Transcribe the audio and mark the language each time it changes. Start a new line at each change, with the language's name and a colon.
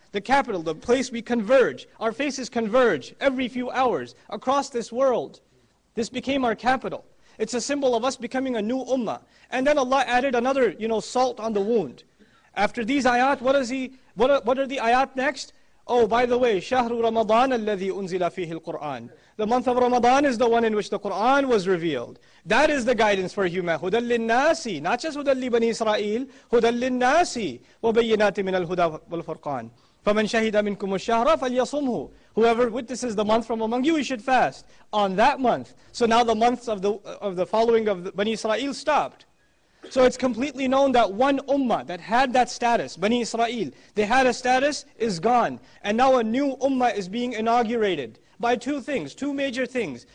English: The capital, the place we converge, our faces converge every few hours across this world. This became our capital. It's a symbol of us becoming a new ummah. And then Allah added another, you know, salt on the wound. After these ayat, what are the ayat next? Oh, by the way,
Arabic: شهر رمضان الذي أنزل فيه القرآن.
English: The month of Ramadan is the one in which the Quran was revealed. That is the guidance for human.
Arabic: هدى للناس,
English: not just
Arabic: هدى لبني إسرائيل, هدى للناس وبينات من الهدى والفرقان. فَمَنْ شَهِدَ مِنْكُمُ الشَّهْرَ فَلْيَصُمْهُ.
English: Whoever witnesses the month from among you, he should fast on that month. So now the months of the following of the Bani Israel stopped. So it's completely known that one ummah that had that status, Bani Israel, they had a status, is gone. And now a new ummah is being inaugurated by two things, two major things.